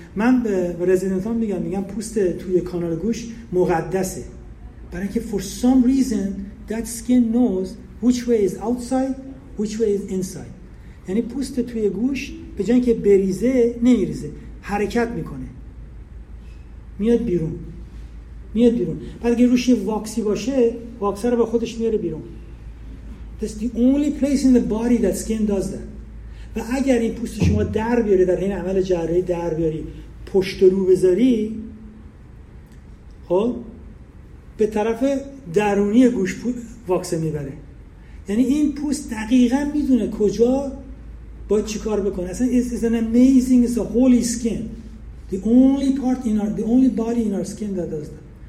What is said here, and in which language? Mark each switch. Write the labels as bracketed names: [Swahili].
[Persian] من به رزیدنت هم میگم پوست توی کانال گوش مقدسه، برای که [English] for some reason that skin knows which way is outside which way is inside، [Persian] یعنی پوست توی گوش به جای اینکه بریزه نمیریزه، حرکت میکنه، میاد بیرون، میاد بیرون. بعد اگه روش واکسی باشه، واکس رو با خودش میاره بیرون. [English] This is the only place in the body that skin does that. [Persian] و اگر این پوست شما در بیاری، در این عمل جراحی در بیاری، پشت رو بذاری، خب به طرف درونی گوش واکس میبره، یعنی این پوست دقیقاً میدونه کجا با چی کار بکنه. اصلا [English] it's an amazing, it's a holy skin, the only part in our, the only body in our skin that does that.